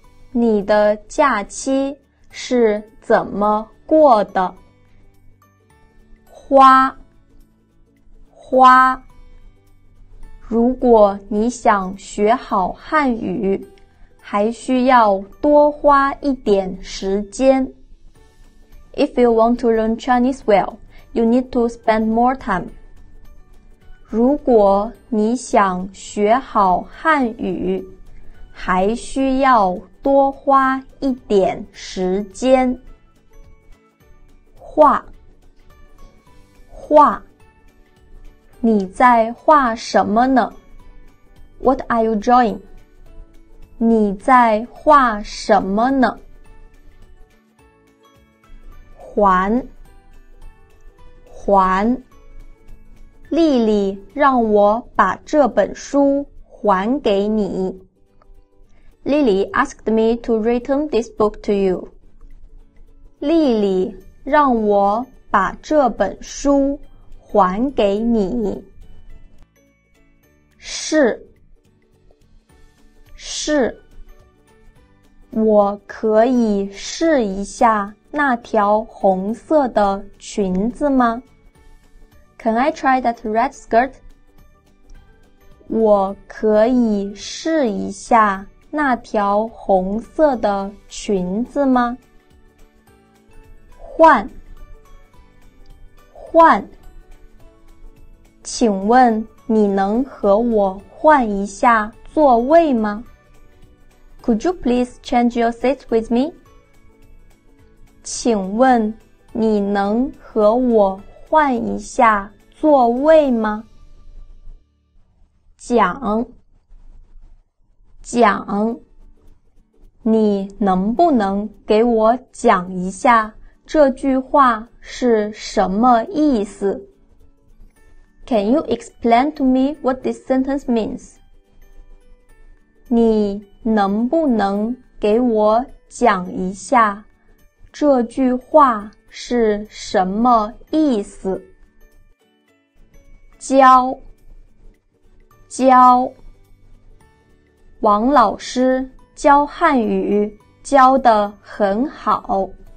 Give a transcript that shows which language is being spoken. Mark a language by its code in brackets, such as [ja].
[zh] 你的假期是怎么过的？花，花，如果你想学好汉语，还需要多花一点时间。 [en] If you want to learn Chinese well, you need to spend more time. [zh] 如果你想学好汉语，还需要多花一点时间。画，画，你在画什么呢？ [en] What are you drawing? [zh] 你在画什么呢？还，还，丽丽让我把这本书还给你。 [en] Lily asked me to return this book to you. [zh] 丽丽让我把这本书还给你。是，是，我可以试一下。那条红色的裙子吗？ [en] Can I try that red skirt? [zh] 我可以试一下那条红色的裙子吗？换，换，请问你能和我换一下座位吗？ [en] Could you please change your seat with me? [zh] 请问你能和我换一下座位吗？讲，讲，你能不能给我讲一下这句话是什么意思？ [en] Can you explain to me what this sentence means? [zh] 你能不能给我讲一下这句话是什么意思？教，教。王老师教汉语教得很好。